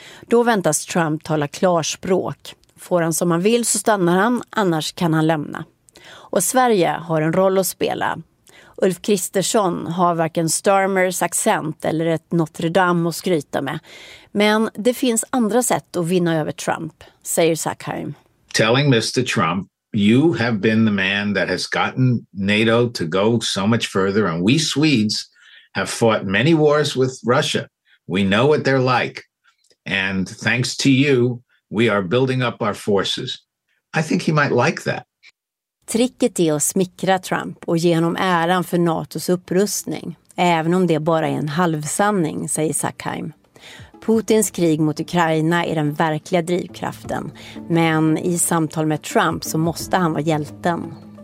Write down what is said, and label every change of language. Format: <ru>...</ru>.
<sv>Då väntas Trump tala klarspråk. Får han som han vill så stannar han, annars kan han lämna. Och Sverige har en roll att spela. Ulf Kristersson har varken Starmers accent eller ett Notre Dame att skryta med. Men det finns andra sätt att vinna över Trump, säger Sackheim.</sv> <en>Telling Mr. Trump, you have been the man that has gotten NATO to go so much further and we Swedes have fought many wars with Russia. We know what they're like. And thanks to you, we are building up our forces. I think he might like that.</en> <sv>Tricket är att smickra Trump och ge honom äran för NATOs upprustning. Även om det bara är en halvsanning, säger Sackheim. Putins krig mot Ukraina är den verkliga drivkraften. Men i samtal med Trump så måste han vara hjälten.</sv>